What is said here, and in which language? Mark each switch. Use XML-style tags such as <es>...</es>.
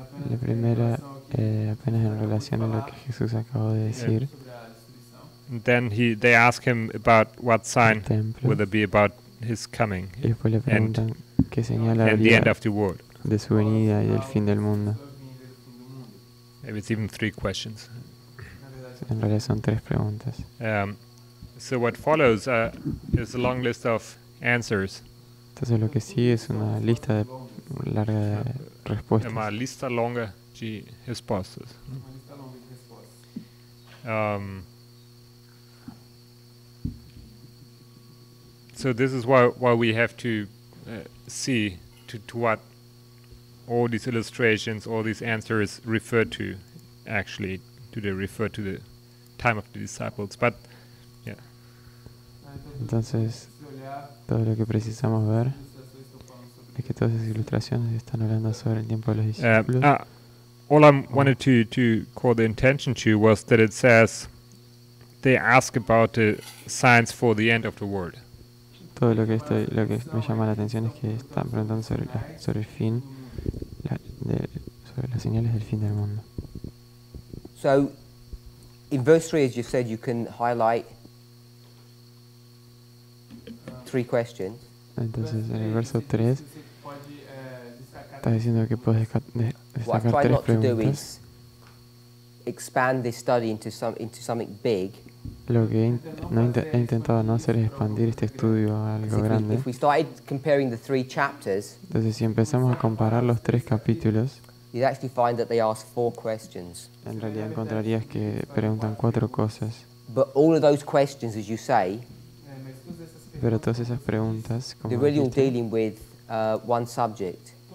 <es>La primera apenas en relación a lo que Jesús acabó de decir.</es> <en>And then they ask him about what sign will there be about his coming.</en> <es>Y después le preguntan</es> <en>and the end of the world.</en> <es>De su venida y del fin del mundo.</es> <en>Maybe it's even three questions.</en> <es>En realidad son tres preguntas.</es> <en>So what follows is a long list of answers.</en> <es>Entonces lo que sigue es una lista de larga de respuestas. Una lista longa de respuestas.</es> <en>So this is why we have to see to what all these illustrations, all these answers refer to, actually, do they refer to the time of the disciples? But yeah.</en> <es>Entonces, todo lo que precisamos ver es que todas esas ilustraciones están hablando sobre el tiempo de los discípulos.</es> <en>All I wanted to call the attention to was that it says they ask about the signs for the end of the world.</en> <es>Todo lo que me llama la atención es que están preguntando sobre la, sobre el fin, la, de, sobre las señales del fin del mundo.</es> <en>So, in verse 3, as you said, you can highlight three questions.</en> <es>Entonces, en el verso 3, estás diciendo que puedes destacar tres preguntas.</es> <en>What I've tried not to do is expand this study into something big.</en> <es>Lo que he intentado no hacer es expandir este estudio a algo grande.</es> <en>If we started comparing the three chapters,</en> <es>entonces, si empezamos a comparar los tres capítulos,</es> <en>you'd actually find that they ask four questions.</en> <es>En realidad encontrarías que preguntan cuatro cosas.</es> <en>But all of those questions, as you say,</en> <es>pero todas esas preguntas, como</es> <en>they're really</en> <es>dijiste,</es> <en>all dealing with one subject.</en>